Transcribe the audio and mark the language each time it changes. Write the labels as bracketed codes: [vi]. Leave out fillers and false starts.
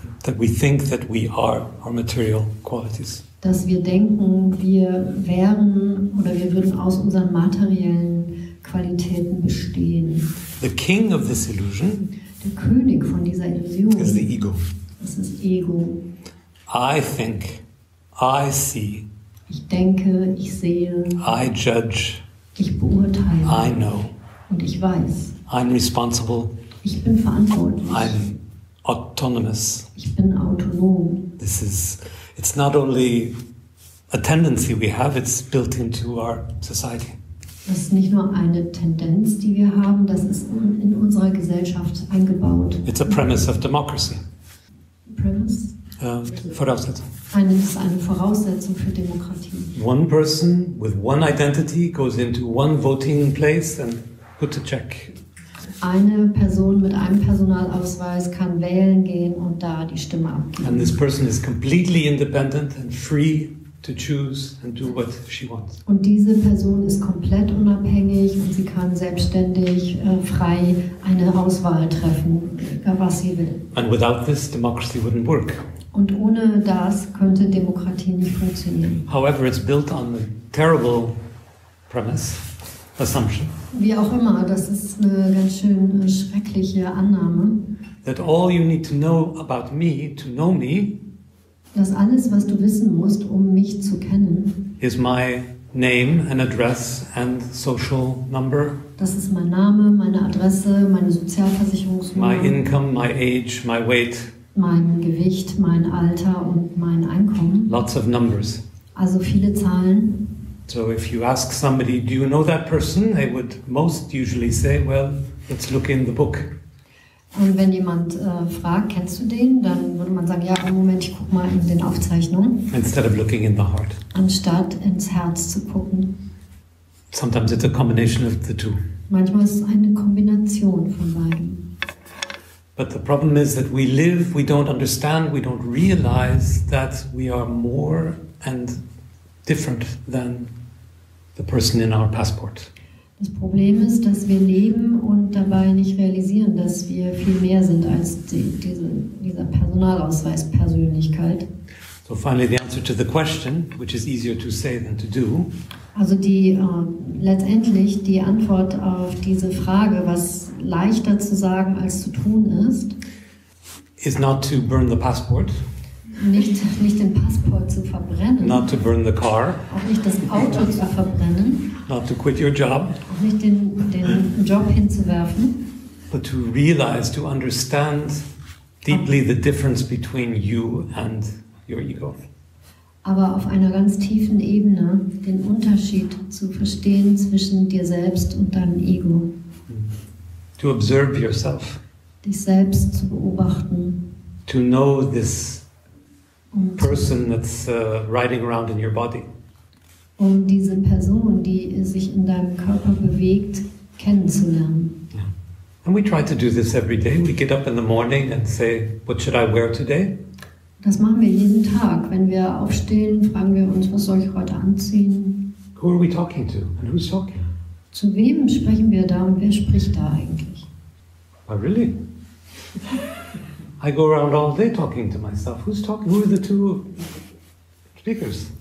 [en] That we think that we are our material qualities. [de] Dass wir denken, wir wären oder wir würden aus unseren materiellen Qualitäten bestehen. [en] The king of this illusion, [de] der König von dieser Illusion, [en] is the ego. [de] Das ist Ego. [en] I think, I see. [de] Ich denke, ich sehe. [en] I judge. [de] Ich beurteile. [en] I know. [de] Und ich weiß. [en] I'm responsible. [de] Ich bin verantwortlich. [en] I'm autonomous. [de] Ich bin autonom. [en] This is, it's not only a tendency we have, it's built into our society. [de] Das ist nicht nur eine Tendenz, die wir haben, das ist in unserer Gesellschaft eingebaut. [en] It's a premise of democracy. Premise? [de] Voraussetzung. Das ist eine Voraussetzung für Demokratie. [en] One person with one identity goes into one voting place and put a check. [de] Eine Person mit einem Personalausweis kann wählen gehen und da die Stimme abgeben. [en] And this person is completely independent and free to choose and do what she wants. [de] Und diese Person ist komplett unabhängig und sie kann selbstständig frei eine Auswahl treffen, was sie will. [en] And without this, democracy wouldn't work. [de] Und ohne das könnte Demokratie nicht funktionieren. [en] However, it's built on a terrible premise, assumption. [de] Wie auch immer, das ist eine ganz schön schreckliche Annahme. [en] That all you need to know about me, to know me, [de] dass alles, was du wissen musst, um mich zu kennen, [en] is my name and address and social number. [de] Das ist mein Name, meine Adresse, meine Sozialversicherungsnummer. [en] My income, my age, my weight. [de] Mein Gewicht, mein Alter und mein Einkommen. [en] Lots of numbers. [de] Also viele Zahlen. [en] So if you ask somebody, do you know that person? They would most usually say, well, let's look in the book. [de] Und wenn jemand fragt, kennst du den? Dann würde man sagen, ja, Moment, ich guck mal in den Aufzeichnungen. [en] Instead of looking in the heart. [de] Anstatt ins Herz zu gucken. [en] Sometimes it's a combination of the two. [de] Manchmal ist es eine Kombination von beiden. [en] But the problem is that we live, we don't understand, we don't realize that we are more and different than the person in our passport. [de] Das Problem ist, dass wir leben und dabei nicht realisieren, dass wir viel mehr sind als dieser Personalausweis-Persönlichkeit. [en] So finally the answer to the question, which is easier to say than to do. [de] Also die letztendlich die Antwort auf diese Frage, was leichter zu sagen als zu tun ist, [en] is not to burn the passport. [de] Nicht den Passport zu verbrennen. [en] Not to burn the car. [de] Auch nicht das Auto zu verbrennen. [en] Not to quit your job. [de] Auch nicht den Job hinzuwerfen. [en] But to realize, to understand deeply the difference between you and your ego. [de] Aber auf einer ganz tiefen Ebene den Unterschied zu verstehen zwischen dir selbst und deinem Ego. [en] To observe yourself. [de] Dich selbst zu beobachten. [en] To know this person that's riding around in your body. [de] Um diese Person, die sich in deinem Körper bewegt, kennenzulernen. [en] Yeah. And we try to do this every day. We get up in the morning and say, what should I wear today? [de] Das machen wir jeden Tag. Wenn wir aufstehen, fragen wir uns, was soll ich heute anziehen? [en] Who are we talking to? And who's talking? [de] Zu wem sprechen wir da und wer spricht da eigentlich? [en] Oh, really? I go around all day talking to myself. Who's talking? Who are the two speakers?